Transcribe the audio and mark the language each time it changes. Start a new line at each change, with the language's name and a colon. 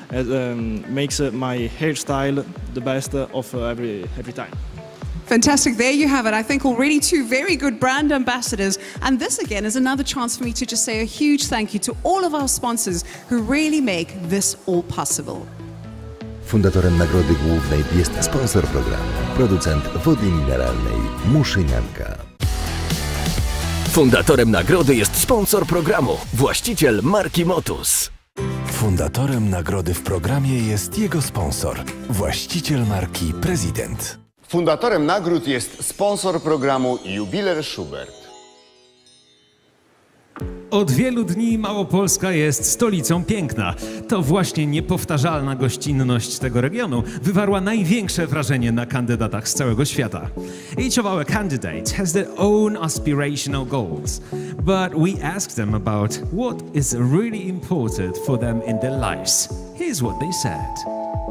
English: It makes my hairstyle the best of every time. Fantastic. There you have it. I think already two very good brand ambassadors. And this again is another chance for me to just say a huge thank you to all of our sponsors who really make this all possible.
Polish: Fundatorem Nagrody Głównej jest sponsor programu, producent wody mineralnej Muszynianka. Fundatorem nagrody jest sponsor programu, właściciel marki Motus. Fundatorem nagrody w programie jest jego sponsor, właściciel marki Prezydent. Fundatorem nagród jest sponsor programu Jubiler Schubert. Od wielu dni Małopolska jest stolicą piękna. To właśnie niepowtarzalna gościnność tego regionu wywarła największe wrażenie na kandydatach z całego świata.
English: Each of our candidates has their own aspirational goals, but we asked them about what is really important for them in their lives. Here's what they said.